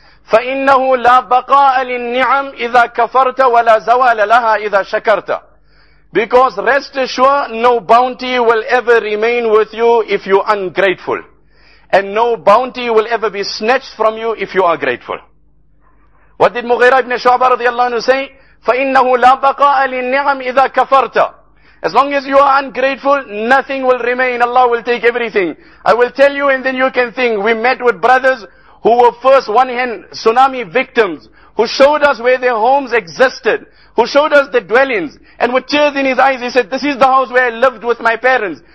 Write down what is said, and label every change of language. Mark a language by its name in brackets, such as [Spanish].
[Arabic] فَإِنَّهُ لَا بَقَاءَ لِلنِّعَمْ إِذَا كَفَرْتَ وَلَا زَوَالَ لَهَا إِذَا شَكَرْتَ. [English] Because rest assured, no bounty will ever remain with you if you are ungrateful. And no bounty will ever be snatched from you if you are grateful. What did Mughira ibn Shu'bah رضي الله عنه say? [Arabic] فَإِنَّهُ لَا بَقَاءَ لِلنِّعَمْ إِذَا كَفَرْتَ. [English] As long as you are ungrateful, nothing will remain. Allah will take everything. I will tell you and then you can think. We met with brothers who were first one hand tsunami victims, who showed us where their homes existed, who showed us the dwellings, and with tears in his eyes, he said, this is the house where I lived with my parents.